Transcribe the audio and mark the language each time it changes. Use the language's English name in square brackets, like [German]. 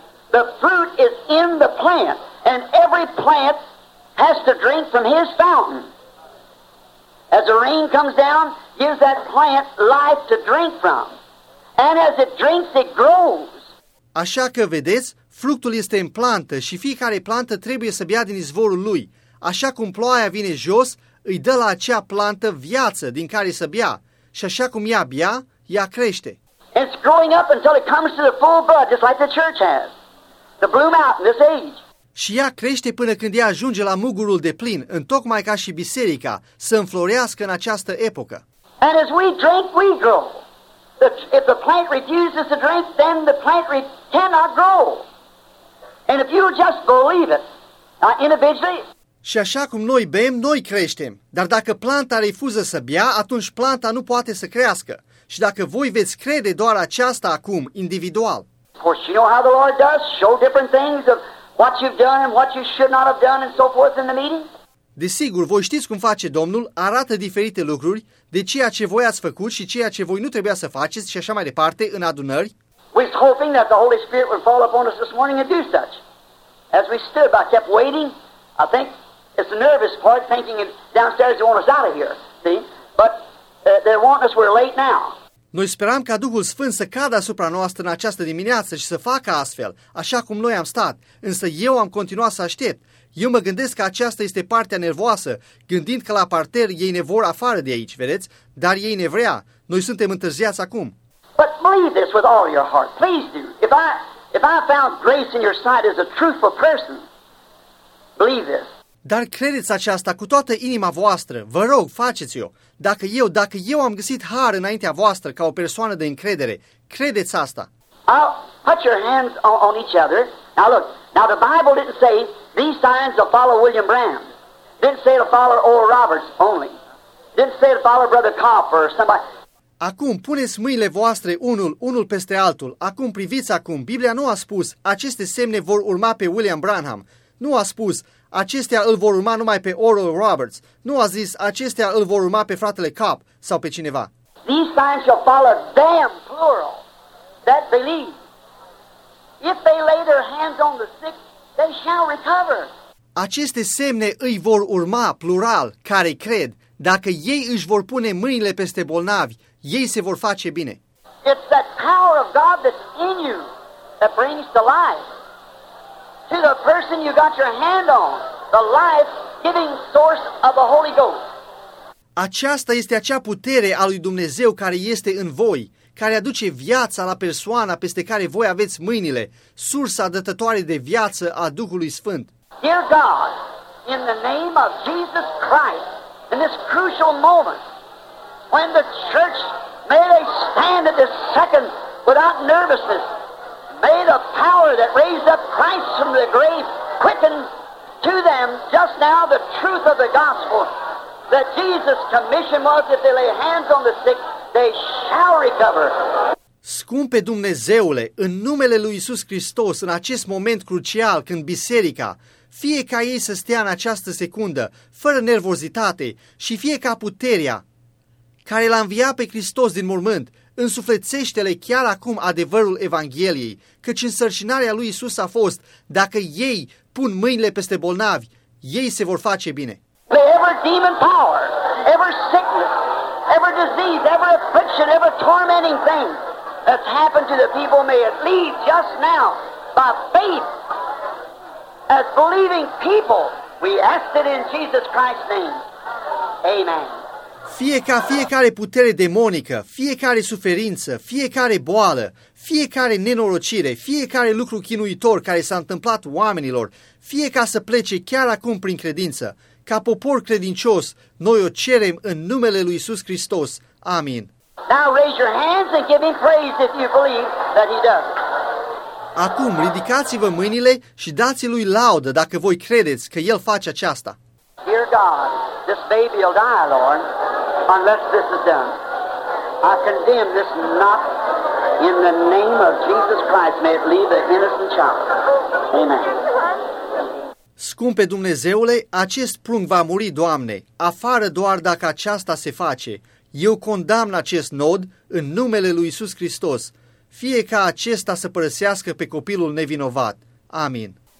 [English] The fruit is in the plant and every plant has to drink from his fountain. As the rain comes down, gives that plant life to drink from. And as it drinks, it grows. [Romanian] Așa că, vedeți, fructul este în plantă și fiecare plantă trebuie să bea din izvorul lui. Așa cum ploaia vine jos, îi dă la acea plantă viață din care să bea. Și așa cum ea bea, ea crește. [English] And it's growing up until it comes to the full bud, just like the church has. To bloom out in this age. [Romanian] Și ea crește până când ea ajunge la mugurul de plin, în tocmai ca și biserica, să înflorească în această epocă. [English] And as we drink, we grow. If the plant refuses to drink, then the plant cannot grow. And if you just believe it, not individually. [Romanian] Și așa cum noi bem, noi creștem. Dar dacă planta refuză să bea, atunci planta nu poate să crească. Și dacă voi veți crede doar aceasta acum, individual. [English] Of course, you know how the Lord does? Show different things of what you've done and what you should not have done and so forth in the meeting? [Romanian] Desigur, voi știți cum face Domnul, arată diferite lucruri de ceea ce voi ați făcut și ceea ce voi nu trebuia să faceți și așa mai departe în adunări. [English] We were hoping that the Holy Spirit would fall upon us this morning and do such. As we stood, I kept waiting. I think it's the nervous part, thinking downstairs they want us out of here. See? But they want us, we're late now. [Romanian] Noi speram ca Duhul Sfânt să cadă asupra noastră în această dimineață și să facă astfel, așa cum noi am stat, însă eu am continuat să aștept. Eu mă gândesc că aceasta este partea nervoasă, gândind că la parter ei ne vor afară de aici, vedeți? Dar ei ne vrea. Noi suntem întârziați acum. [English] But believe this with all your heart. Please do. If I found grace in your sight as a truthful person, believe this. [Romanian] Dar credeți aceasta cu toată inima voastră. Vă rog, faceți-o. Dacă eu am găsit har înaintea voastră ca o persoană de încredere, credeți asta. [English] I'll put your hands on each other. Now look, now the Bible didn't say these signs will follow William Branham. Didn't say to follow Oral Roberts only. Didn't say to follow Brother Kopp or somebody. [Romanian] Acum, puneți mâinile voastre unul peste altul. Acum, priviți acum. Biblia nu a spus, aceste semne vor urma pe William Branham. Nu a spus, acestea îl vor urma numai pe Oral Roberts. Nu a zis, acestea îl vor urma pe fratele Kopp sau pe cineva. [English] These signs shall follow them, plural, that believe. If they lay their hands on the sick, they shall recover. [Romanian] Aceste semne îi vor urma, plural, care cred. Dacă ei își vor pune mâinile peste bolnavi, ei se vor face bine. [English] It's that power of God that's in you that brings the life. To the person you got your hand on, the life-giving source of the Holy Ghost. [Romanian] Aceasta este acea putere a lui Dumnezeu care este în voi, care aduce viața la persoana peste care voi aveți mâinile, sursa dătătoare de viață a Duhului Sfânt. [English] Dear God, in the name of Jesus Christ, in this crucial moment, when the church may they stand at this second without nervousness, may the power that raised up Christ from the grave quicken to them just now the truth of the gospel that Jesus' commission was if they lay hands on the sick, they shall recover. [Romanian] Scumpe Dumnezeule, în numele lui Iisus Hristos, în acest moment crucial când biserica, fie ca ei să stea în această secundă, fără nervozitate, și fie ca puterea care l-a înviat pe Hristos din mormânt, însuflețește-le chiar acum adevărul Evangheliei, căci însărcinarea lui Iisus a fost, dacă ei pun mâinile peste bolnavi, ei se vor face bine. [English] Every demon power, every sickness, every disease, every affliction, every tormenting thing that's happened to the people, may it leave just now by faith, as believing people, we ask it in Jesus Christ's name. Amen. [Romanian] Fie ca fiecare putere demonică, fiecare suferință, fiecare boală, fiecare nenorocire, fiecare lucru chinuitor care s-a întâmplat oamenilor, fie ca să plece chiar acum prin credință, ca popor credincios, noi o cerem în numele lui Iisus Hristos. Amin. [English] Now raise your hands and give him praise if you believe that he does. [Romanian] Acum ridicați-vă mâinile și dați lui laudă dacă voi credeți că el face aceasta. [English] Dear God, this baby will die, Lord. Unless this is done, I condemn this not in the name of Jesus Christ. May it leave the innocent child. Amen. [Romanian] Scumpe Dumnezeule, acest prunc va muri, Doamne, afară doar dacă aceasta se face. Eu condamn acest nod în numele lui Iisus Hristos. Fie ca acesta să părăsească pe copilul nevinovat. Amin.